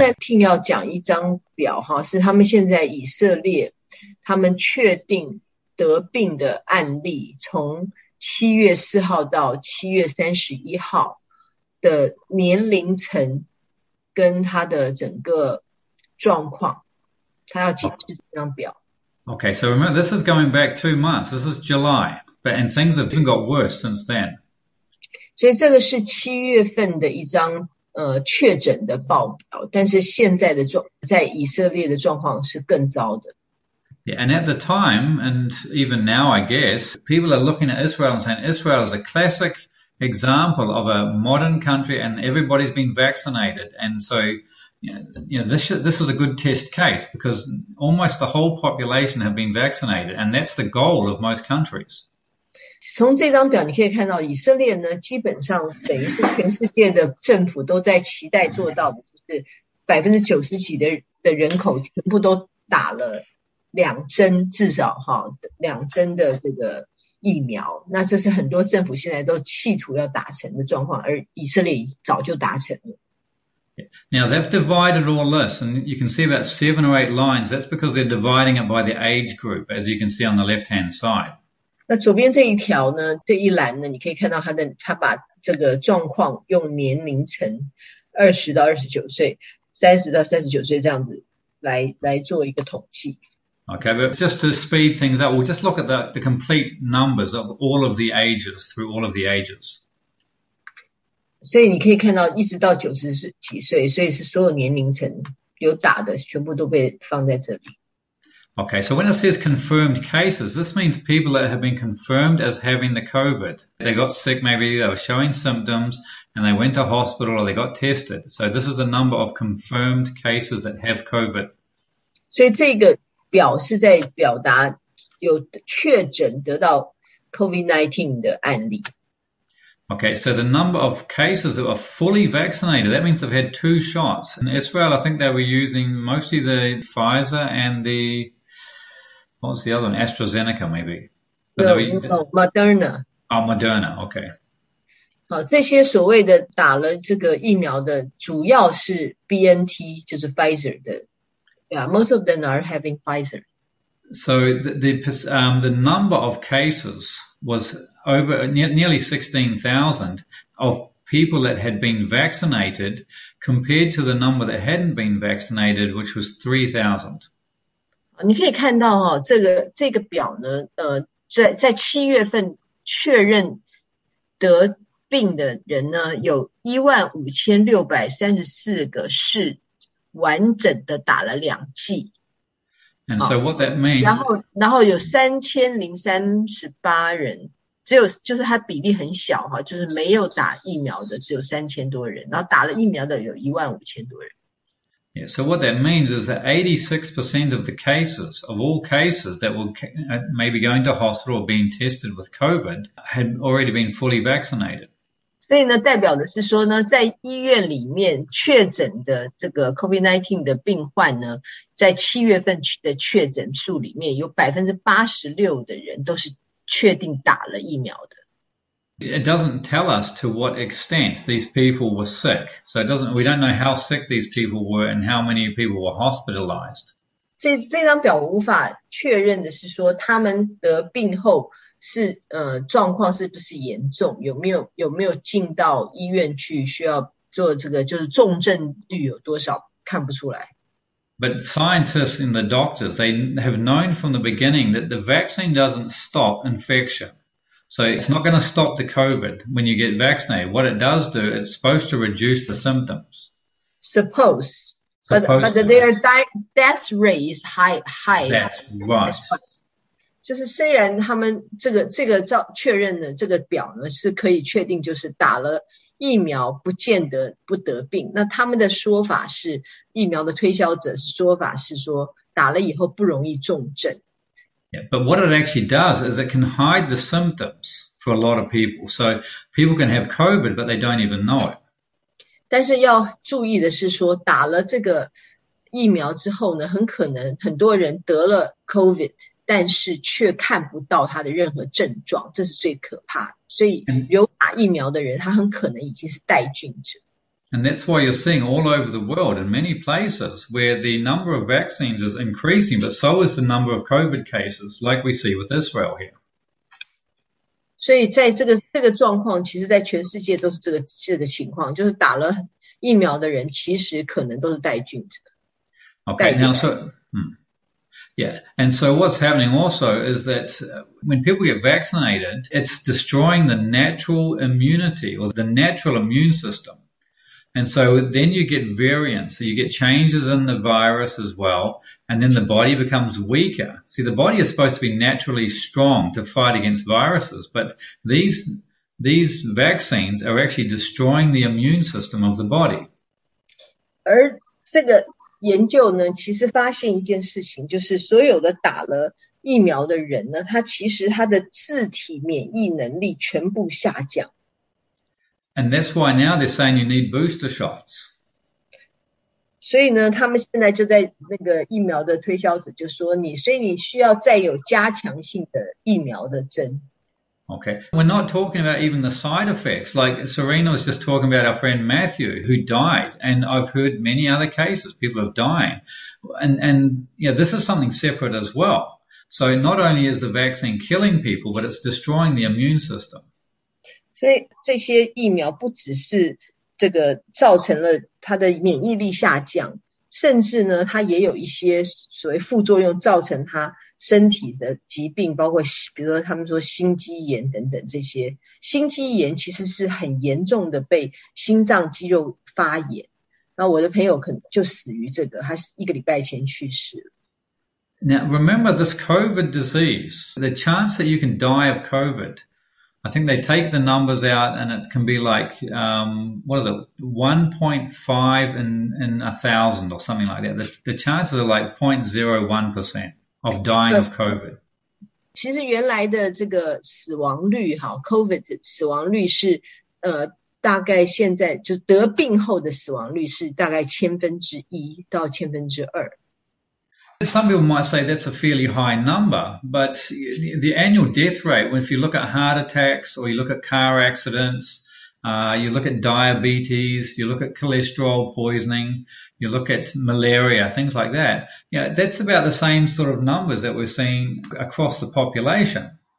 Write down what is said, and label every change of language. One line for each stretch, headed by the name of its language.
Chinese: 在听要讲一张表哈，是他们现在以色列他们确定得病的案例，从7月4号到7月31号的年龄层跟他的整个状况，他要解释这张表。
English: Okay, so remember, this is going back 2 months. This is July, but and things have even got worse since then.
Chinese: 所以这个是7月份的一张。确诊的报表，但是现在的状，在以色列的状况是更糟的。
English: Yeah, and at the time, and even now, I guess, people are looking at Israel and saying Israel is a classic example of a modern country, and everybody's been vaccinated, and so. This is a good test case because almost the whole population have been vaccinated, and that's the goal of most countries.
Chinese: 从这张表你可以看到，以色列呢，基本上等于是全世界的政府都在期待做到的，就是90%几的人口全部都打了2针，至少哈2针的这个疫苗。那这是很多政府现在都企图要达成的状况，而以色列早就达成了。
English: Now they've divided all this, and you can see about 7 or 8 lines. That's because they're dividing it by the age group, as you can see on the left-hand side.
Chinese: 那左边这一条呢，这一栏呢，你可以看到他把这个状况用年龄层20到29岁、30到39岁这样子来做一个统计。
English: Okay, but just to speed things up, we'll just look at the complete numbers of all of the ages through all of the ages.
Chinese: 所以你可以看到，一直到90几岁，所以是所有年龄层有打的全部都被放在这里。
English: Okay, so when it says confirmed cases, this means people that have been confirmed as having the COVID. They got sick, maybe they were showing symptoms and they went to hospital or they got tested. So this is the number of confirmed cases that have COVID.
Chinese: 所以这个表是在表达有确诊得到 COVID-19 的案例。
English: Okay, so the number of cases that are fully vaccinated, that means they've had two shots. In Israel, I think they were using mostly the Pfizer and the, what was the other one? AstraZeneca, maybe. But they were, No，Moderna。 Moderna, okay.
Chinese: 好，这些所谓的打了这个疫苗的，主要是 BNT，就是 Pfizer 的。
English: Yeah，most of them are having Pfizer。 So the number of cases was over nearly 16,000 of people that had been vaccinated compared to the number that hadn't been vaccinated, which was 3,000.
Chinese: 你可以看到哦，这个表呢，在7月份确认得病的人呢，有15,634个是完整的打了2剂，
English: And so what that means,
Chinese: 然后有3,038人，只有就是它比例很小哈，就是没有打疫苗的只有3,000多人，然后打了疫苗的有15,000多人。
English: yeah, so what that means is that 86% of the cases, of all cases that were maybe going to hospital or being tested with COVID, had already been fully vaccinated.
Chinese: 所以呢，代表的是说呢，在医院里面确诊的这个 COVID-19 的病患呢，在7月份的确诊数里面，有86%的人都是确定打了疫苗的。
English: It doesn't tell us to what extent these people were sick. So it doesn't, we don't know how sick these people were and how many people were hospitalized.
Chinese: 这张表无法确认的是说，他们得病后是状况是不是严重，有没有进到医院去需要做这个，就是重症率有多少，看不出来。
English: But scientists and the doctors, they have known from the beginning that the vaccine doesn't stop infection. So it's not going to stop the COVID when you get vaccinated. What it does do, it's supposed to reduce the symptoms. Suppose, but Supposed to. their death rate is high That's right. as well.
Chinese: 就是虽然他们这个确认的这个表呢是可以确定，就是打了疫苗不见得不得病。那他们的说法是，疫苗的推销者说法是说，打了以后不容易重症。
English: But what it actually does is it can hide the symptoms for a lot of people. So people can have COVID, but they don't even know it.
Chinese: 但是要注意的是说，打了这个疫苗之后呢，很可能很多人得了 COVID，但是却看不到他的任何症状，这是最可怕的。所以有打疫苗的人，他很可能已经是带菌者。
English: And that's why you're seeing all over the world in many places where the number of vaccines is increasing, but so is the number of COVID cases, like we see with Israel here.
Chinese: 所以在这个状况，其实在全世界都是这个情况，就是打了疫苗的人其实可能都是带菌者，带
English: Okay, now so, Yeah, and so what's happening also is that when people get vaccinated, it's destroying the natural immunity or the natural immune system. And so then you get variants, so you get changes in the virus as well, and then the body becomes weaker. See, the body is supposed to be naturally strong to fight against viruses, but these vaccines are actually destroying the immune system of the body.
Chinese: 而这个研究呢，其实发现一件事情，就是所有的打了疫苗的人呢，他其实他的自体免疫能力全部下降。
English: And that's why now they're saying you need booster shots.
Chinese: 所以呢，他们现在就在那个疫苗的推销者就说你，所以你需要再有加强性的疫苗的针。
English: Okay, we're not talking about even the side effects. Like Serena was just talking about our friend Matthew who died, and I've heard many other cases, people are dying. And you know, this is something separate as well. So not only is the vaccine killing people, but it's destroying the immune system.
Chinese: 所以这些疫苗不只是这个造成了它的免疫力下降，甚至呢，它也有一些所谓副作用，造成他身体的疾病，包括比如说他们说心肌炎等等这些。心肌炎其实是很严重的，被心脏肌肉发炎。那我的朋友可能就死于这个，他一个礼拜前去世了。
English: Now, remember this COVID disease, the chance that you can die of COVID, I think they take the numbers out and it can be like, what is it, 1.5 in 1,000 or something like that. The chances are like 0.01% of dying of COVID.
Chinese: 其实原来的这个死亡率，COVID 死亡率是，大概现在就得病后的死亡率是大概1/1到1/2。
English: Some people might say that's a fairly high number, but the annual death rate, if you look at heart attacks or you look at car accidents, you look at diabetes, you look at cholesterol poisoning, you look at malaria, things like that, that's about the same sort of numbers that we're seeing across the population.